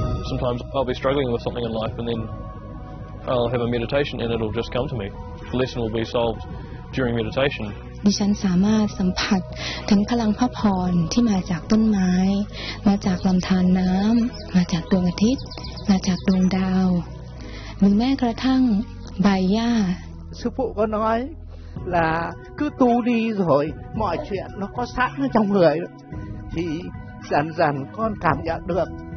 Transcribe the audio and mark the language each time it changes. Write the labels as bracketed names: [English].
[English] Sometimes I'll be struggling with something in life and then I'll have a meditation and it'll just come to me. The lesson will be solved during meditation [Thai] ดิฉันสามารถสัมผัสถึงพลังพระพรที่มาจากต้นไม้มาจากลำธารน้ำมาจากดวงอาทิตย์มาจากดวงดาวหรือแม้กระทั่งใบหญ้า สุภุก็น้อย [Vietnamese] là cứ tu đi rồi mọi chuyện nó có sẵn trong người thì dần dần con cảm nhận được.